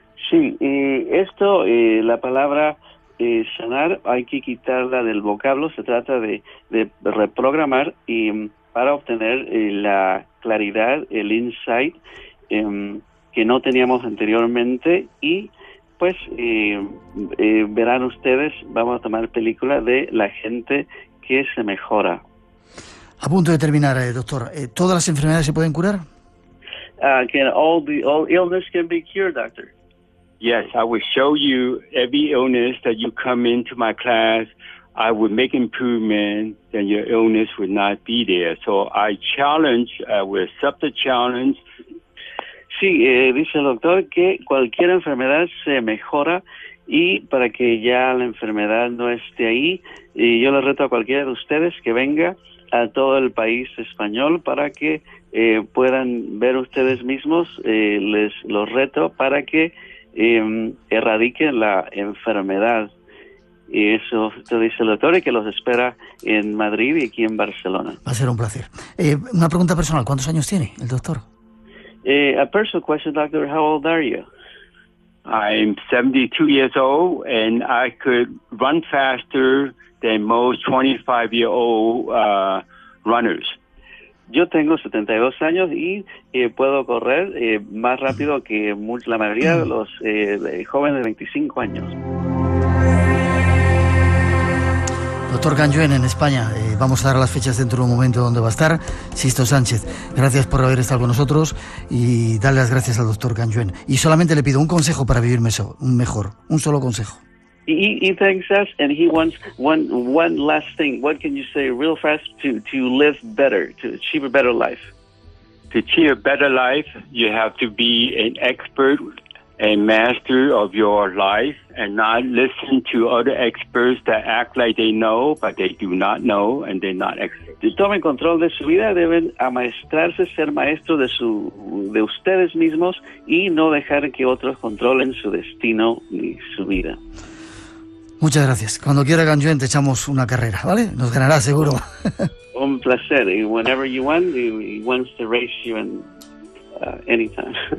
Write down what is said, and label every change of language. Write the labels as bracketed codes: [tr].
[es] Sí, esto, la palabra sanar, hay que quitarla del vocablo, se trata de reprogramar y para obtener la claridad, el insight que no teníamos anteriormente. Y pues verán ustedes, vamos a tomar película de la gente que se mejora. A punto de terminar, doctor, ¿todas las enfermedades se pueden curar? [en] All illness can be cured, doctor. Yes, I will show you every illness that you come into my class. I will make improvement and your illness will not be there. So I challenge, I will accept the challenge. [es] Sí, dice el doctor que cualquier enfermedad se mejora, y para que ya la enfermedad no esté ahí, y yo le reto a cualquiera de ustedes que venga a todo el país español para que puedan ver ustedes mismos. Les los reto para que erradique la enfermedad. Y eso te dice el doctor, y que los espera en Madrid y aquí en Barcelona. Va a ser un placer. Una pregunta personal, ¿cuántos años tiene el doctor? [en] A personal question, doctor, how old are you? I'm 72 years old, and I could run faster than most 25-year-old runners. [es] Yo tengo 72 años y puedo correr más rápido que la mayoría de los jóvenes de 25 años. Doctor Canyuén, en España. Vamos a dar las fechas dentro de un momento donde va a estar. Sisto Sánchez, gracias por haber estado con nosotros y darle las gracias al doctor Canyuén. Y solamente le pido un consejo para vivir mejor, un solo consejo. [en] He thanks us and he wants one last thing. What can you say real fast to live better, to achieve a better life? To achieve a better life, you have to be an expert, a master of your life, and not listen to other experts that act like they know, but they do not know, and they're not experts. [es] Tomen control de su vida, deben amaestrarse, ser maestro de ustedes mismos, y no dejar que otros controlen su destino ni su vida. Muchas gracias. Cuando quiera, Canyuén, te echamos una carrera, ¿vale? Nos ganará seguro. Un placer. [en] Y whenever you want, he wants to race you and anytime.